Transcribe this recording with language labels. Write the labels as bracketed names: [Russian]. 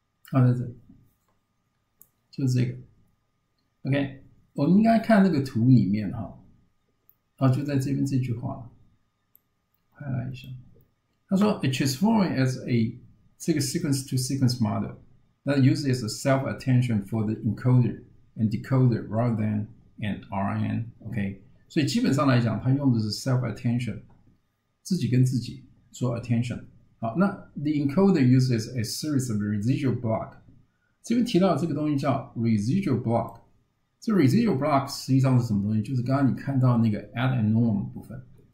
[Chinese] 放在这里，就是这个。OK，我们应该看这个图里面哈，啊，就在这边这句话，快来一下。 [English] 他说，"It transforms as a 这个 sequence to sequence model that uses a self attention for the encoder and decoder rather than an RNN." [Chinese] OK，所以基本上来讲，它用的是 self attention，自己跟自己做 attention。好，那 [English] the encoder uses a series of residual block。 [Chinese] 这边提到这个东西叫 residual block，这 residual block 实际上是什么东西？就是刚刚你看到那个 add and norm 部分。